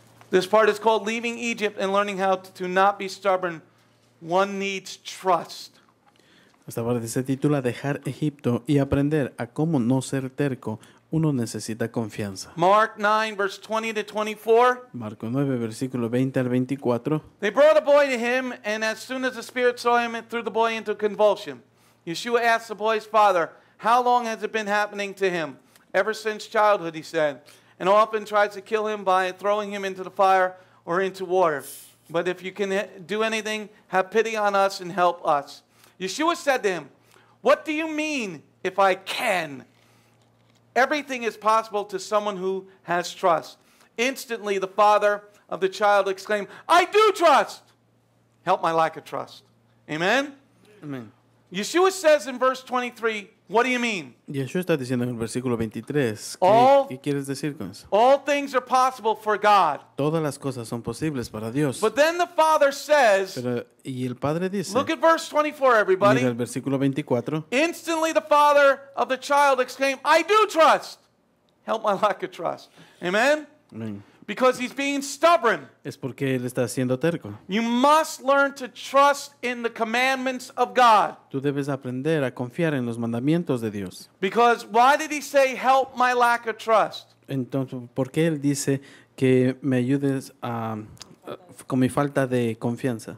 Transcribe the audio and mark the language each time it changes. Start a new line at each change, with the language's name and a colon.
English: This part is called leaving Egypt and learning how to not be stubborn. One needs trust.
Spanish: Esta parte se titula Dejar Egipto y aprender a cómo no ser terco. Uno necesita confianza.
English: Mark 9, verse 20 to 24.
Spanish: Marco 9, versículo 20 al 24.
English: They brought a boy to him, and as soon as the spirit saw him, it threw the boy into convulsion. Yeshua asked the boy's father, "How long has it been happening to him?" "Ever since childhood," he said. "And often tries to kill him by throwing him into the fire or into water. But if you can do anything, have pity on us and help us." Yeshua said to him, "What do you mean, if I can? Everything is possible to someone who has trust." Instantly, the father of the child exclaimed, "I do trust! Help my lack of trust." Amen? Amen. Yeshua says in verse 23, what do you mean?
Spanish: Yeshua está diciendo en el versículo 23, ¿qué quieres decir con eso?
English: All things are possible for God.
Spanish: Todas las cosas son posibles para Dios.
English: But then the father says,
Spanish: y el padre dice,
English: look at verse 24, everybody.
Spanish: Mira el versículo 24.
English: Instantly the father of the child exclaimed, "I do trust. Help my lack of trust." Amen? Amen. Because he's being stubborn.
Spanish: Es porque él está siendo terco.
English: You must learn to trust in the commandments of God.
Spanish: Tú debes aprender a confiar en los mandamientos de Dios.
English: Because why did he say, "Help my lack of trust"?
Spanish: Entonces, ¿por qué él dice que me ayudes con mi falta de confianza?